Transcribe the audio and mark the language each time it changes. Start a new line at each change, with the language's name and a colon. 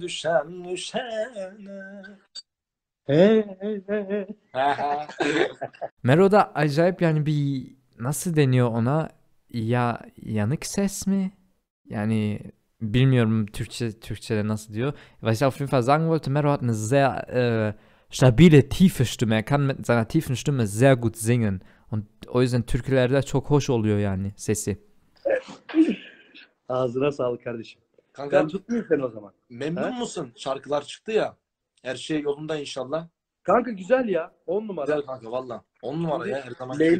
Turkish: düşene. Mero'da acayip yani bir nasıl deniyor ona ya yanık ses mi? Yani bilmiyorum Türkçe'de nasıl diyor.
German: Was ich auf jeden Fall sagen wollte, Mero hat eine sehr stabile tiefe Stimme. Er kann mit seiner tiefen Stimme sehr gut singen.
Turkish: Und o yüzden türkülerde çok hoş oluyor yani sesi. Ağzına sağlık kardeşim. Kanka, ben tutmuyor seni o zaman. Memnun ha? Musun? Şarkılar çıktı ya. Her şey yolunda inşallah. Kanka güzel ya. 10 numara. Güzel kanka valla. 10 numara kanka, ya her zaman.